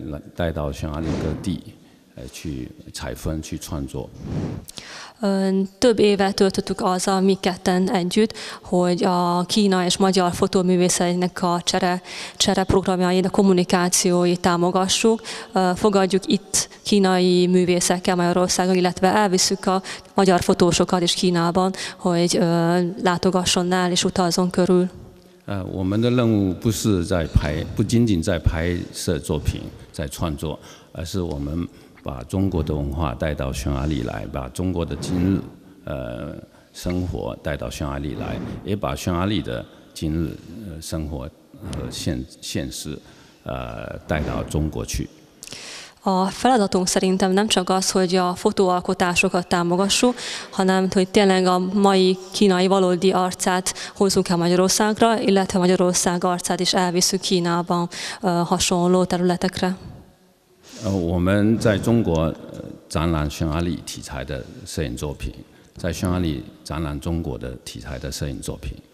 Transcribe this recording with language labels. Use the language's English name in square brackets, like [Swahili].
[Chinese] 我们很多年了一直在做两个国家之间的摄影家的交流，我们把匈牙利的摄影家带到中国去，把中国的摄影家接待在匈牙利，带到匈牙利各地。去采风去创作。 [Hungarian] Több évet töltöttük azzal mi ketten együtt, hogy a Kína és magyar fotóművészeinek a csere programjait, a kommunikációit támogassuk. Fogadjuk itt kínai művészekkel Magyarországon, illetve elviszük a magyar fotósokat is Kínában, hogy látogasson el és utazzon körül. [Chinese] 我们的任务不是在拍，不仅仅在拍摄作品，在创作，而是我们 把中国的文化带到匈牙利来，把中国的今日生活带到匈牙利来，也把匈牙利的今日生活和现实带到中国去。 [Hungarian] A feladatunk szerintem nem csak az, hogy a fotóalkotásokat támogassuk, hanem hogy tényleg a mai kínai valódi arcát hozzunk el Magyarországra, illetve Magyarország arcát is elviszük Kínában hasonló területekre. [Chinese] 我们在中国展览匈牙利题材的摄影作品，在匈牙利展览中国的题材的摄影作品。